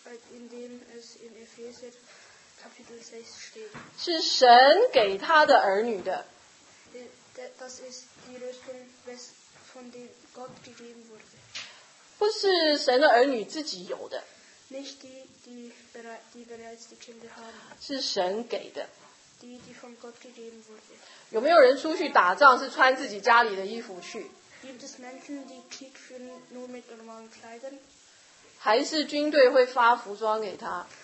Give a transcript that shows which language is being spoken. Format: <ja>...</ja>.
<de>In dem es in Epheser Kapitel 6 steht.</de> <zh>是神给他的儿女的。</zh> <de>Das ist die Rüstung, von der Gott gegeben wurde.</de> <zh>不是神的儿女自己有的。</zh> <de>Nicht die, die bereits die Kinder haben.</de> <zh>是神给的。</zh> <de>Die von Gott gegeben wurde.</de> <zh>有没有人出去打仗是穿自己家里的衣服去？</zh> <de>Gibt es Menschen, die Krieg führen nur mit normalen Kleidern?</de> <zh>还是军队会发服装给他。</zh>